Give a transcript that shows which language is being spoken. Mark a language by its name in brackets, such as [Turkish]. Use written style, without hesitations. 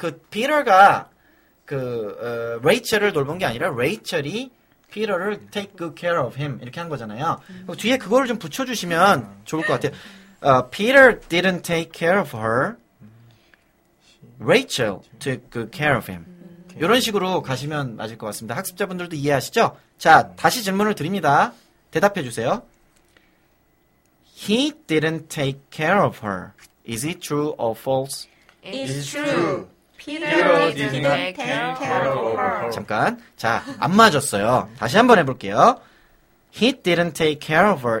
[Korean] 피터가 레이첼을 돌본 게 아니라 레이첼이 피터를 [English] take good care of him [Korean] 이렇게 한 거잖아요. 뒤에 그거를 좀 붙여주시면 좋을 것 같아요. [English] Peter didn't take care of her. Rachel took good care of him. [Korean] 이런 식으로 가시면 맞을 것 같습니다. 학습자분들도 이해하시죠? 자, 다시 질문을 드립니다. 대답해 주세요. [English] He didn't take care of her. Is it true or false? It's true. Peter didn't take care of her. [Korean] 잠깐. 자, 안 맞았어요. 다시 한번 해볼게요. [English] He didn't take care of her.